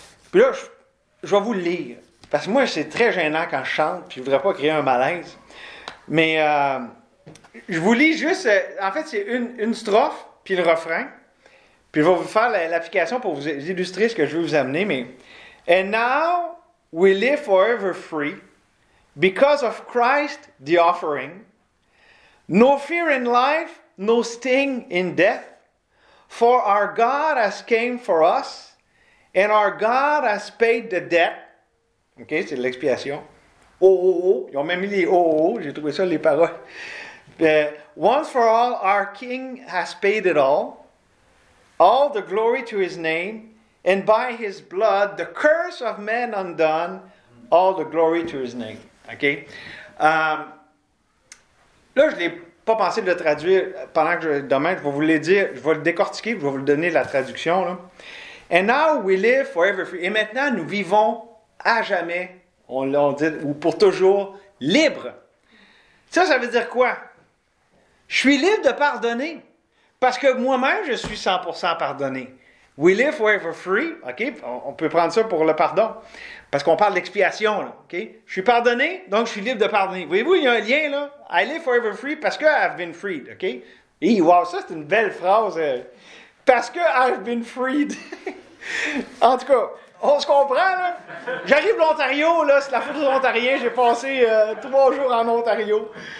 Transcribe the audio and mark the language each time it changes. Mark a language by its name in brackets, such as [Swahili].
[French] Puis là, je vais vous le lire. Parce que moi, c'est très gênant quand je chante, puis je ne voudrais pas créer un malaise. Mais je vous lis juste, en fait, c'est une strophe, puis le refrain. Puis je vais vous faire l'application pour vous illustrer ce que je veux vous amener. Mais, [English] and now we live forever free, Because of Christ, the offering, no fear in life, no sting in death, for our God has came for us, and our God has paid the debt. [French] OK, c'est l'expiation. Oh, oh, oh. Ils ont même mis les oh, oh. J'ai trouvé ça, les paroles. [English] Once for all, our King has paid it all. All the glory to his name. And by his blood, the curse of men undone. All the glory to his name. [French] OK? Là, je ne l'ai pas pensé de le traduire pendant que je... Demain, je vais vous le dire. Je vais le décortiquer. Je vais vous le donner la traduction. Là. [English] And now we live forever free. [French] Et maintenant, nous vivons à jamais, on dit, ou pour toujours, libre. Ça, ça veut dire quoi? Je suis libre de pardonner, parce que moi-même, je suis 100% pardonné. [English] We live forever free, [French] OK? On peut prendre ça pour le pardon, parce qu'on parle d'expiation, là, OK? Je suis pardonné, donc je suis libre de pardonner. Voyez-vous, il y a un lien, là. [English] I live forever free [French] parce que [English] I've been freed, [French] OK? Et wow, ça, c'est une belle phrase. Parce que [English] I've been freed. [French] En tout cas... On se comprend, là? J'arrive de l'Ontario, là, c'est la faute des Ontariens. J'ai passé 3 jours en Ontario.